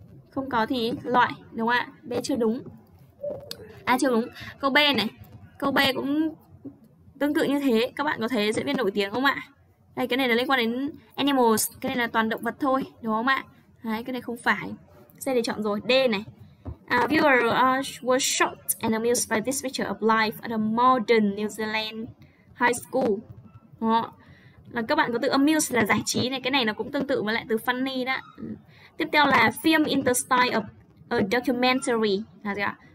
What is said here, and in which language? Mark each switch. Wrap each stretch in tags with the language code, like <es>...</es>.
<vi>Không có thì loại, đúng không ạ? B chưa đúng. A chưa đúng. Câu B này, câu B cũng tương tự như thế, các bạn có thấy diễn viên nổi tiếng không ạ? Đây, cái này là liên quan đến animals, cái này là toàn động vật thôi, đúng không ạ? Đấy, cái này không phải. C để chọn rồi, D này.</vi> <en>Viewer was shocked and amused by this picture of life at a modern New Zealand high school. Đó.</en> <vi>là các bạn có từ amuse là giải trí này, cái này nó cũng tương tự mà lại từ funny đó. Tiếp theo là</vi> <en>film in the style of a documentary</en> <vi>là gì ạ?</vi>